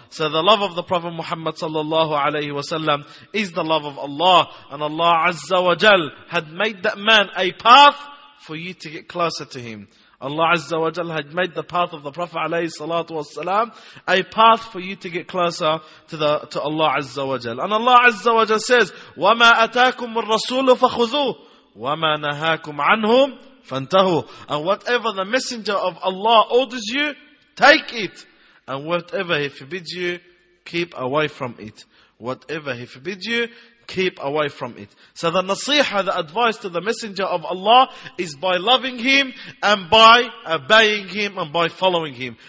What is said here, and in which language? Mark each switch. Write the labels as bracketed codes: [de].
[en] So the love of the Prophet Muhammad sallallahu alayhi wa sallam is the love of Allah. And Allah Azza wa Jal had made that man a path for you to get closer to him. Allah Azza wa Jal had made the path of the Prophet alayhi salatu wasalam a path for you to get closer to Allah Azza wa Jal. And Allah Azza wa Jal says, [ar] وَمَا أَتَاكُمُ الرَّسُولُ فَخُذُوهُ وَمَا نَهَاكُمْ عَنْهُمْ فَانْتَهُوا. [en] And whatever the messenger of Allah orders you, take it. And whatever he forbids you, keep away from it. Whatever he forbids you, keep away from it. So the nasiha, the advice to the messenger of Allah, is by loving him and by obeying him and by following him.